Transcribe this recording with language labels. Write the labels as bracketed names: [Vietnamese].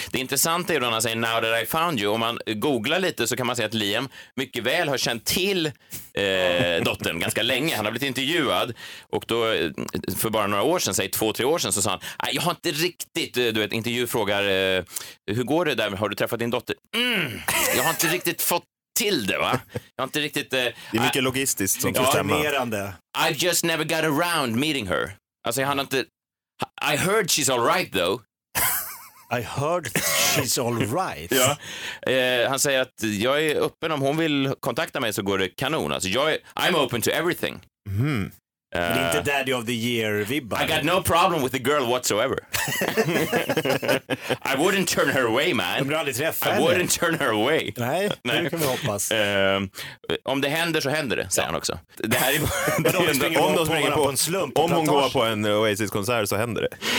[Swedish] Det intressanta är då när han säger Now That I Found You. Om man googlar lite så kan man säga att Liam mycket väl har känt till dottern ganska länge. Han har blivit intervjuad och då för bara några år sedan, säg 2-3 år sedan, så sa han: jag har inte riktigt, du vet, intervju frågar hur går det där, har du träffat din dotter? Jag har inte riktigt fått till det, va? Jag har inte riktigt det är mycket logistiskt som får stämma. [English] I've just never got around meeting her. [Swedish] Alltså han har inte. [English] I heard she's all right though. I heard she's all right. [Swedish] Ja. Han säger att jag är öppen, om hon vill kontakta mig så går det kanon. [English] Alltså I'm open to everything. [Swedish] Mm. Inte [English] daddy of the year [Swedish] vibbar. [English] I got no problem with the girl whatsoever. I wouldn't turn her away, man. Wouldn't turn her away. [Swedish] Nej, det kan vi hoppas. Om det händer så händer det, säger han också. Det här är om de springer på en slump. Om hon går på en Oasis-konsert så händer det.